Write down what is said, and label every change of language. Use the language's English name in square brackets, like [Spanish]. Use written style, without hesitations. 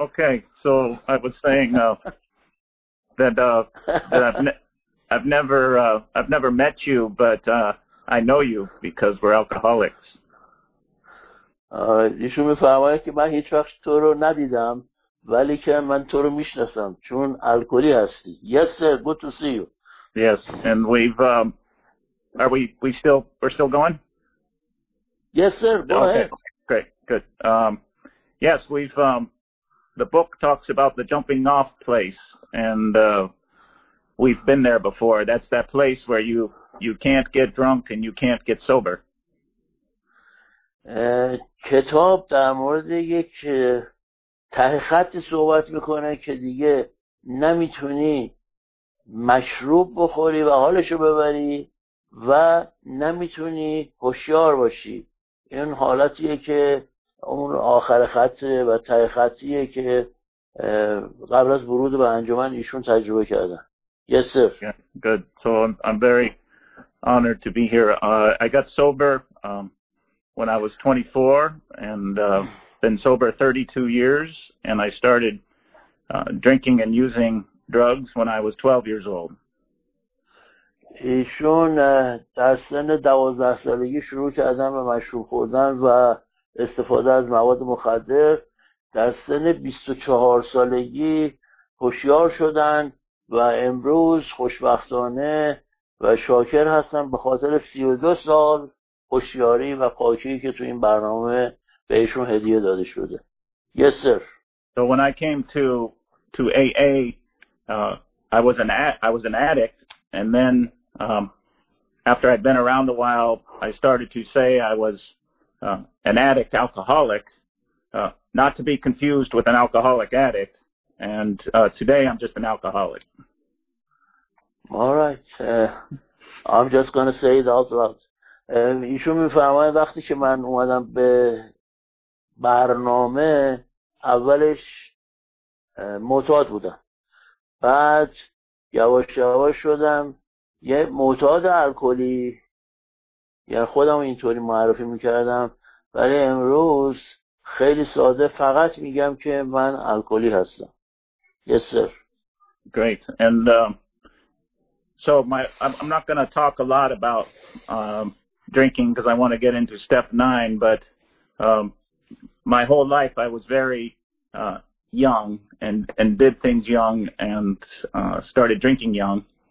[English] Okay, so I was saying I've never met you, but I know you because we're alcoholics. [Persian] ایشون میفرماید که من هیچ وقت تو رو ندیدم، ولی که من تو رو میشناسم چون الکلی هستی. [English] Yes, sir. Good to see you. Yes, and we're still going? Yes, sir. Go ahead. Good. Yes, we've. The book talks about the jumping off place, and we've been there before. That's that place where you can't get drunk and you can't get sober. [Persian] کتاب در مورد یک ته خطی صحبت میکنه که دیگه نمیتونی مشروب بخوری و حالشو ببری و نمیتونی هوشیار باشی. این حالتیه که اون آخر خطه و تای خطیه که قبل از ورود به انجمن ایشون تجربه کردن. [English] Yes, sir. Yeah, good. So I'm very honored to be here. I got sober when I was 24 and been sober 32 years, and I started drinking and using drugs when I was 12 years old. [Persian] ایشون در سن 12 سالگی شروع کردن به مشروب خوردن و استفاده از مواد مخدر. در سن 24 سالگی هوشیار شدن و امروز خوشبختانه و شاکر هستم به خاطر 32 سال هوشیاری و پاکی که تو این برنامه بهشون هدیه داده شده. [English] Yes sir. So when I came to AA, I was an addict, and then after I'd been around a while, I started to say I was an addict alcoholic, not to be confused with an alcoholic addict. And today I'm just an alcoholic. All right. I'm just going to say it out loud. [Persian] ایشون میفرماید وقتی که من اومدم به برنامه اولش معتاد بودم. بعد یواش یواش شدم یه معتاد الکلی. یعنی خودم اینطوری معرفی میکردم. ولی امروز خیلی ساده فقط میگم که من الکلی هستم. [English] Yes, sir. Great. And so I'm not going to talk a lot about drinking because I want to get into step 9, but my whole life I was very young and did things young and started drinking young.